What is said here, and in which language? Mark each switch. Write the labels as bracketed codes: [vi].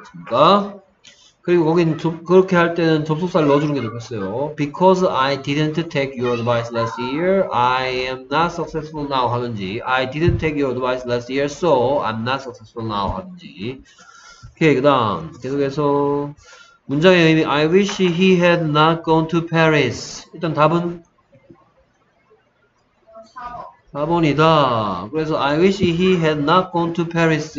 [ko] 그러니까 그리고 거긴 그렇게 할 때는 접속사를 넣어주는 게 좋겠어요. [en] Because I didn't take your advice last year, I am not successful now [ko] 하든지, [en] I didn't take your advice last year, so I'm not successful now [ko] 하든지. 오케이, 그다음 계속해서 문장의 의미. [en] I wish he had not gone to Paris. [ko] 일단 답은 4번이다. 그래서 [en] I wish he had not gone to Paris.